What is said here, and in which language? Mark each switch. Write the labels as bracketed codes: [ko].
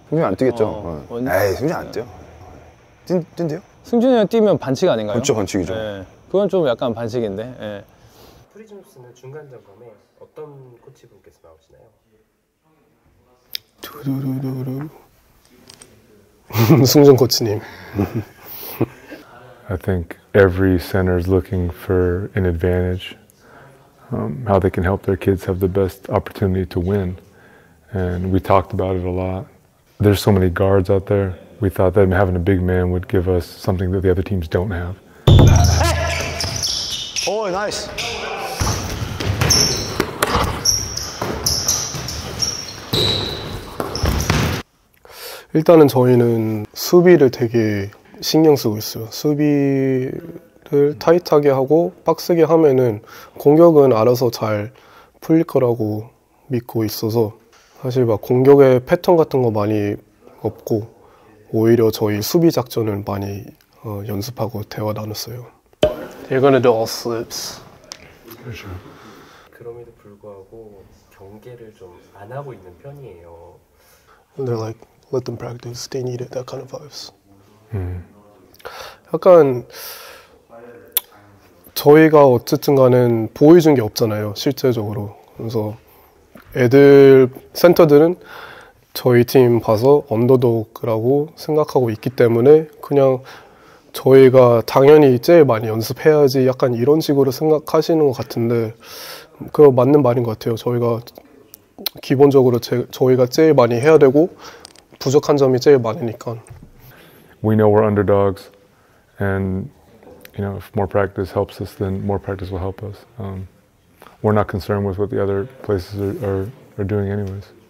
[ko] 승준이 안 뛰겠죠. 에이 승준이 안 뛰어. 뛴대요? 승준이 형 뛰면 반칙 아닌가요? 그렇죠, 반칙이죠. 예. 그건 좀 약간 반칙인데. 예. 프리즘스는 중간 점검에 어떤 코치분께서 나오시나요? 두루루루루 승준 코치님. [en] I think every center is looking for an advantage, how they can help their kids have the best opportunity to win. And we talked about it a lot. There's so many guards out there. We thought that having a big man would give us something that the other teams don't have. Oh, nice. First of all, we are very attention to the defense. [ko] 타이트하게 하고 빡세게 하면은 공격은 알아서 잘 풀릴 거라고 믿고 있어서 사실 막 공격의 패턴 같은 거 많이 없고 오히려 저희 수비 작전을 많이 연습하고 대화 나눴어요. [en] They're gonna do all slips. [ko] 그렇죠. 그럼에도 불구하고 경계를 좀 안 하고 있는 편이에요. [en] They're like let them practice. They need it. That kind of vibes. [ko] 약간 저희가 어쨌든 간에 보여준 게 없잖아요, 실제적으로. 그래서 애들 센터들은 저희 팀 봐서 언더독이라고 생각하고 있기 때문에 그냥 저희가 당연히 제일 많이 연습해야지 약간 이런 식으로 생각하시는 것 같은데 그거 맞는 말인 것 같아요. 저희가 기본적으로 저희가 제일 많이 해야 되고 부족한 점이 제일 많으니까. [en] We know we're underdogs and you know, if more practice helps us, then more practice will help us. We're not concerned with what the other places are doing anyways.